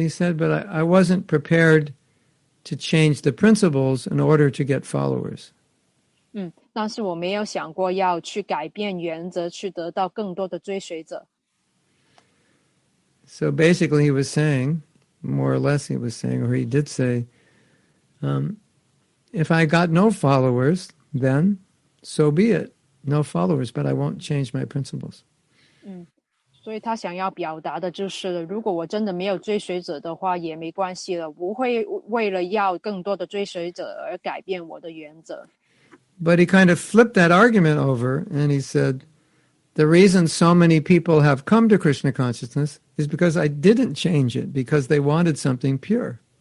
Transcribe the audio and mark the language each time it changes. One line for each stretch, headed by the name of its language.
English: he said, but I wasn't prepared to change the principles in order to get followers.
Chinese: 但是我没有想过要去改变原则，去得到更多的追随者。
English: So basically he was saying, more or less he was saying, or he did say, if I got no followers, then so be it. No followers, but I won't change my principles.
Chinese: 所以他想要表达的就是，如果我真的没有追随者的话，也没关系了，不会为了要更多的追随者而改变我的原则。
English: But he kind of flipped that argument over and he said, the reason so many people have come to Krishna consciousness is because I didn't change it, because they wanted something pure.